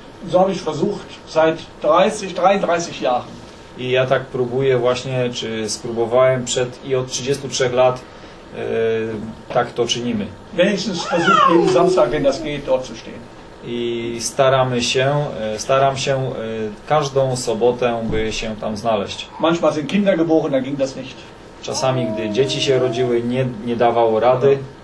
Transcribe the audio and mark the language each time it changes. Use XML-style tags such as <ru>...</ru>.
<de>So habe ich versucht, seit 33 Jahren.</de> <pl>I ja tak próbuję właśnie, czy spróbowałem przed i od 33 lat tak to czynimy.</pl> <de>Wenigstens versuchen wir Samstag, wenn das geht, dort zu stehen.</de> <pl>I staram się każdą sobotę, by się tam znaleźć.</pl> <de>Manchmal sind Kinder geboren, da ging das nicht.</de> <pl>Czasami, gdy dzieci się rodziły, nie dawał rady.</pl>